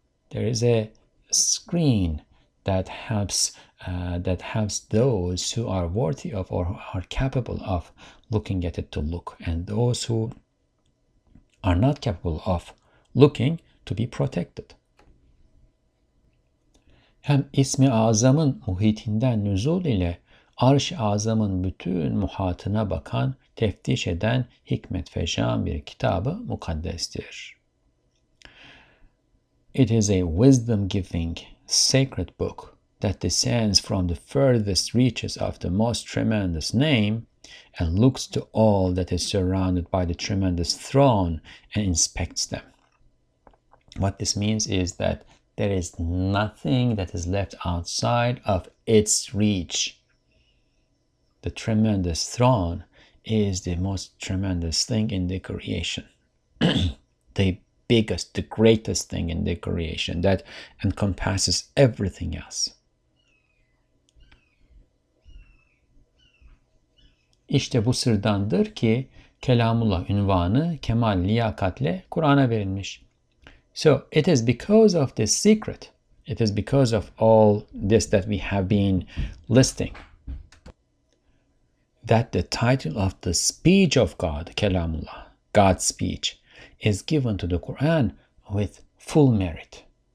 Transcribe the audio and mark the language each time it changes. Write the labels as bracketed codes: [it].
[en] There is a screen that helps those who are worthy of or are capable of looking at it to look, and those who are not capable of looking to be protected. [tr] Hem ismi azamın muhitinden nüzul ile arş-ı azamın bütün muhatına bakan, teftiş eden, hikmet feşan bir kitabı mukaddestir. [en] It is a wisdom-giving, sacred book that descends from the furthest reaches of the most tremendous name and looks to all that is surrounded by the tremendous throne and inspects them. What this means is that there is nothing that is left outside of its reach. The tremendous throne is the most tremendous thing in the creation. The biggest, the greatest thing in the creation that encompasses everything else. [tr] İşte bu sırdandır ki Kelamullah ünvanı kemal liyakatle Kur'an'a verilmiş. [en] So it is because of this secret, it is because of all this that we have been listing, that the title of the speech of God, Kelamullah, God's speech, is given to the Quran with full merit.